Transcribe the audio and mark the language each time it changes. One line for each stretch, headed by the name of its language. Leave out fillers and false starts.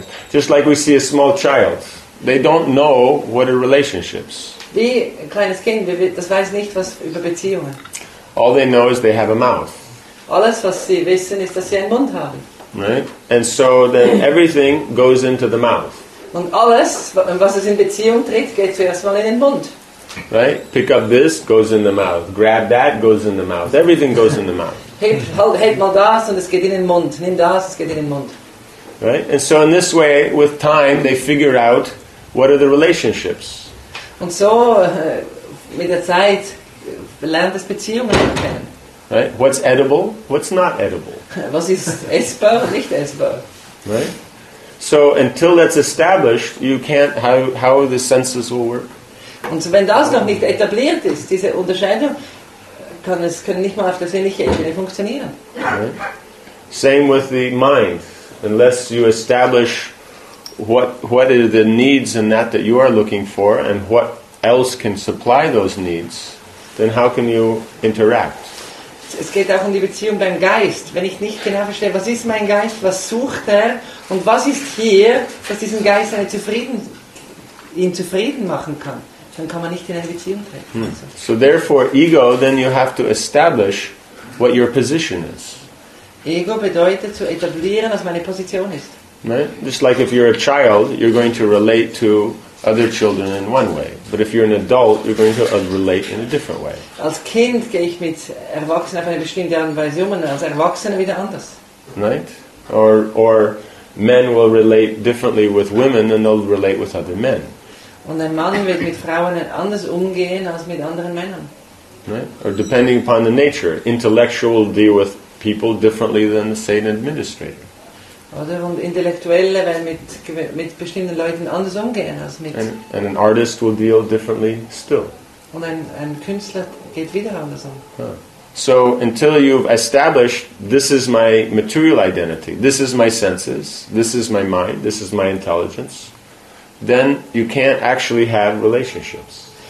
English: Just like we see a small child, they don't know what are relationships.
German: Wie ein kleines Kind, das weiß nicht was über Beziehungen.
English: All they know is they have a mouth.
German: Alles was sie wissen ist, dass sie einen Mund haben.
English: Right, and so then everything goes into the mouth.
German: Und alles, was es in Beziehung tritt, geht zuerst mal in den Mund.
English: Right, pick up this goes in the mouth. Grab that goes in the mouth. Everything goes in the mouth.
German: Halt mal das und es geht in den Mund. Nimm das, es geht in den Mund.
English: Right? And so in this way, with time, they figure out what are the relationships.
German: Und so, mit der Zeit, lernt das Beziehungen kennen.
English: Right? What's edible? What's not edible?
German: Was ist essbar und nicht essbar?
English: Right? So until that's established, you can't, how the senses will work.
German: Und so, wenn das noch nicht etabliert ist, diese Unterscheidung, können nicht mal auf der sinnlichen Ebene funktionieren.
English: Right? Same with the mind. Unless you establish what are the needs in that you are looking for and what else can supply those needs, then how can you interact?
German: Es geht auch um die Beziehung beim Geist. Wenn ich nicht genau verstehe, was ist mein Geist, was sucht er und was ist hier, was diesen Geist ihn zufrieden machen kann, dann kann man nicht in eine Beziehung treten. Hmm.
English: So therefore, ego, then you have to establish what your position is.
German: Ego bedeutet zu etablieren, was meine Position ist.
English: Right? Just like if you're a child, you're going to relate to other children in one way. But if you're an adult, you're going to relate in a different way.
German: Als Kind gehe ich mit Erwachsenen auf eine bestimmte Art und Weise um, und als Erwachsener wieder anders.
English: Right? Or men will relate differently with women than they'll relate with other men.
German: Und ein Mann wird mit Frauen anders umgehen als mit anderen Männern.
English: Right? Or depending upon the nature, intellectual deal with people differently than say an administrator.
German: Oder und Intellektuelle werden mit bestimmten Leuten anders umgehen als mit.
English: And an artist will deal differently still.
German: Und ein Künstler geht wieder anders um. Huh.
English: So until you've established this is my material identity, this is my senses, this is my mind, this is my intelligence, then you can't actually have relationships.